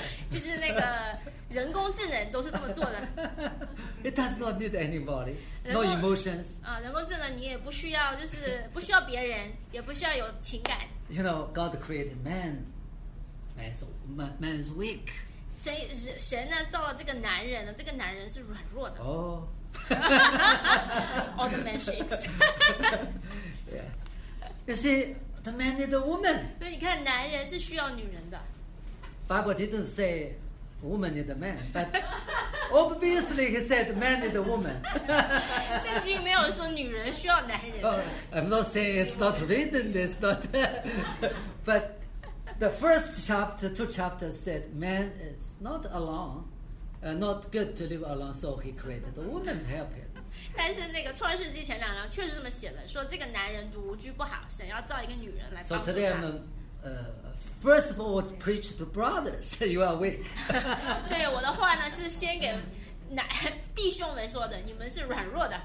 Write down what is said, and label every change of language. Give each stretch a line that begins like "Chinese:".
Chinese: 就是那个人工智能都是这么做的。
English: It does not need anybody, no emotions.
Chinese: 啊，人工智能你也不需要，就是不需要别人，也不需要有情感。
English: You know, God created man. Man's weak.
Chinese: 神呢造了这个男人呢？这个男人是软弱的。 Oh.
English: All the man shakes. Yeah. You see, the man need a woman.
Chinese: 所以你看，男人是需要女人的。
English: Bible didn't say woman need a man, but obviously he said man need a woman.
Chinese: 圣经没有说女人需要男人。
English: Oh, I'm not saying it's not written, it's not, but the first chapter, two chapters said man is not alone, not good to live alone, so he created a woman to help him.
Chinese: 但是那个创世纪前两章确实这么写的，说这个男人独居不好，神要造一个女人来帮助他。
English: So today I'm first of all, preach to brothers. You are weak.
Chinese: 所以我的话呢是先给男弟兄们说的，你们是软弱的。